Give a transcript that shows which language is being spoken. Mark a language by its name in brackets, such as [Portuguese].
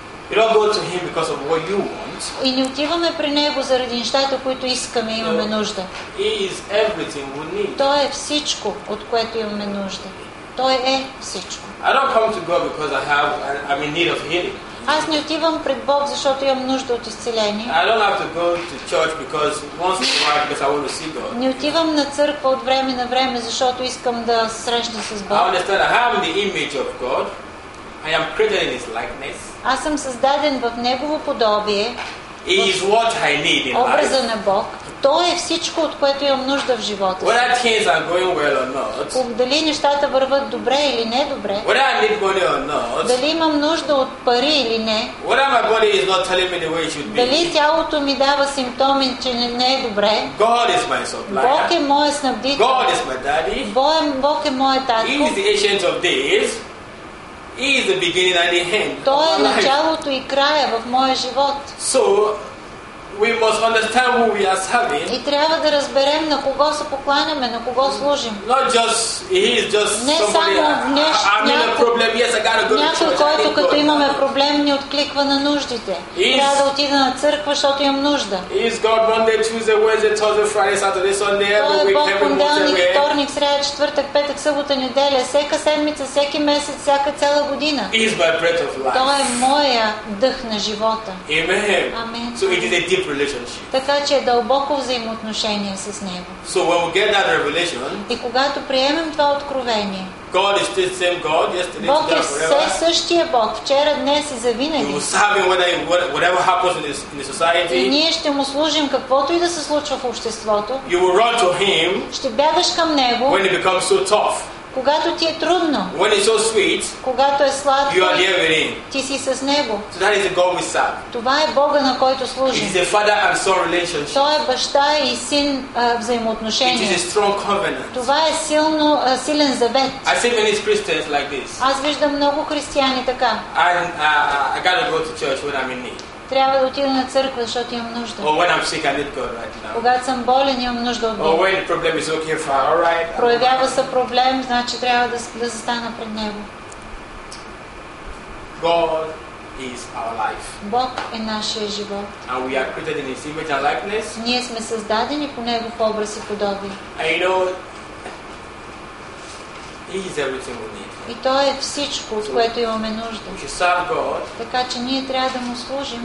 [English] You don't go to him because of what you want. [Bulgarian] И не отиваме при него заради нещата, които искаме и имаме нужда. [English] He is everything we need. [Bulgarian] Той е всичко, от което имаме нужда. Той е всичко. [English] I don't come to God because I'm in need of healing. [Bulgarian] Аз не отивам пред Бог, защото имам нужда от изцеление. [English] I don't have to go to church because once in a while because I want to see God. [Bulgarian] Не отивам на църква от време на време, защото искам да срещна с Бог. [English] I understand I have the image of God. I am created in his likeness. [Bulgarian] Аз съм създаден в Негово подобие. [English] He is what I need in [Bulgarian] образа [English] life. [Bulgarian] На Бог. Той е всичко, от което имам нужда в живота. [English] Whether things are going well or not. [Bulgarian] Дали нещата върват добре или не добре. [English] Whether I need money or not. [Bulgarian] Дали имам нужда от пари или не. [English] Whether my body is not telling me the way it should be. [Bulgarian] Дали тялото ми дава симптоми, че не е добре. [English] God is my supplier. [Bulgarian] Бог е моят снабдител. [English] God is my daddy. [Bulgarian] Бог е моят татко. [English] He is the agent of this. Is the beginning and the end. [Bulgarian] Той е началото и края в моя живот. [English] So we must understand who we are serving. [Bulgarian] И трябва да разберем на кого се покланяме, на кого служим. [English] Not just he is just [Bulgarian] не [English] somebody. [Bulgarian] Само [English] I'm in a problem. Yes, I gotta go. [Bulgarian] Някой, който като имаме проблем, ни откликва на нуждите. Трябва да отида на църква, защото имам нужда. [English] Is God Monday, Tuesday, Wednesday, Thursday, Friday, Saturday, Sunday, every week, every month, every year. [Bulgarian] Вторник, сряда, четвъртък, петък, събота, неделя, всяка седмица, всеки месец, всяка цяла година. [English] Is my breath of life. [Bulgarian] Той е моя дъх на живота. [English] Amen. [Bulgarian] Амен. [English] So it is a deep relationship. [Bulgarian] Така че е дълбоко взаимоотношение с Него. [English] So when we get that revelation. [Bulgarian] И когато приемем това откровение. [English] God is the same God yesterday, [Bulgarian] Бог [English] today, forever. [Bulgarian] Бог е все същия Бог, вчера, днес и завинаги. [English] We will serve him whatever happens in the society. [Bulgarian] И ние ще му служим каквото и да се случва в обществото. [English] You will run to him. [Bulgarian] Ще бягаш към Него. [English] When it becomes so tough. [Bulgarian] Когато ти е трудно. [English] When it's so sweet. [Bulgarian] Когато е сладко. [English] You are there with him. [Bulgarian] Ти си с Него. [English] So that is the God we serve. [Bulgarian] Това е Бога, на който служим. [English] It is a father and son relationship. [Bulgarian] Той е баща и син взаимоотношение. [English] It is a strong covenant. [Bulgarian] Това е силен завет. [English] I see many Christians like this. [Bulgarian] Аз виждам много християни така. [English] I gotta go to church when I'm in need. [Bulgarian] Трябва да отида на църква, защото имам нужда. [English] Oh, when I'm sick, I need God right now. [Bulgarian] Когато съм болен, имам нужда от Бог. [English] Oh, when the problem is okay, fine, all right. [Bulgarian] Проявява се проблем, значи трябва да застана пред Него. [English] God is our life. [Bulgarian] Бог е нашия живот. [English] And we are created in His image and likeness. [Bulgarian] Ние сме създадени по Негов образ и подобие. [English] And you know, He is everything we need. [Bulgarian] И Той е всичко, от което имаме нужда. [English] God, [Bulgarian] така че ние трябва да Му служим.